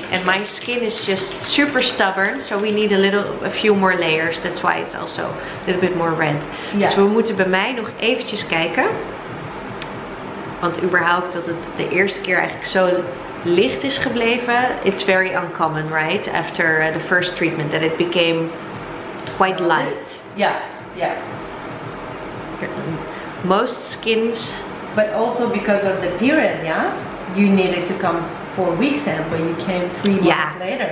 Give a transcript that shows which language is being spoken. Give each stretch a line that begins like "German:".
English: And my skin is just super stubborn, so we need a few more layers. That's why it's also a little bit more red. Yeah.
Dutch: Dus we moeten bij mij nog eventjes kijken. Want überhaupt dat het de eerste keer eigenlijk zo licht is gebleven.
English: It's very uncommon, right? After the first treatment, that it became quite light. Yeah, yeah. Most skins. But also because of the period, yeah? You needed to come 4 weeks in, but you came 3 months later.